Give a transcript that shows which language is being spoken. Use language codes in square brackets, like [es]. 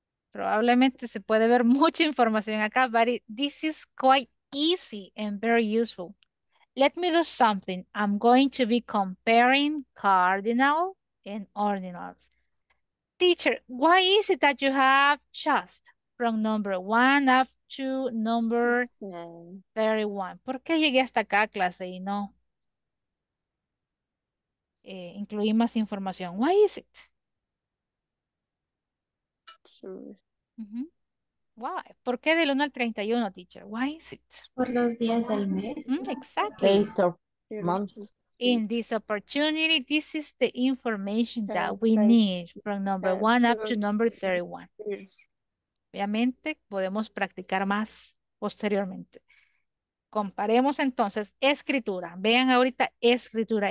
[es] Probablemente se puede ver mucha información acá, [en] but this is quite easy and very useful. Let me do something. I'm going to be comparing cardinal and ordinals. Teacher, why is it that you have just from number one up to number 31. [es] ¿Por qué llegué hasta acá a clase y no incluí más información? [en] Why is it? Why? [es] ¿Por qué del 1 al 31, teacher? [en] Why is it? [es] Por los días del mes. [en] Exactly. Days or months. in this opportunity, this is the information that we need from number one up to number 31. [es] Obviamente, podemos practicar más posteriormente. Comparemos entonces escritura. Vean ahorita escritura.